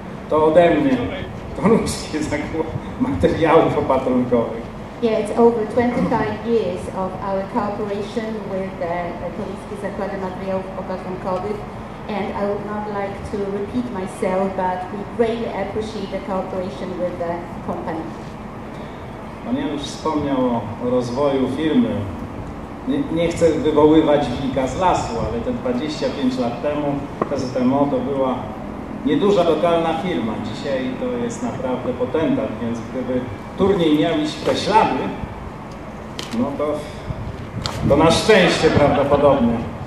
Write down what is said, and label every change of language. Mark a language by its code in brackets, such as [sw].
[pl] To ode mnie, toruńskie zakłady materiałów opatrunkowych. [en] Yeah, it's over 25 years of our cooperation with the Toruński Zakład Materiałów Opatrunkowych, and I would not like to repeat myself, but we greatly appreciate the cooperation with the company. [pl] Pan Janusz wspomniał o rozwoju firmy. Nie chcę wywoływać wilka z lasu, ale te 25 lat temu PZMO to była nieduża lokalna firma. Dzisiaj to jest naprawdę potentat, więc gdyby turniej miał iść te ślady, no to na szczęście prawdopodobnie.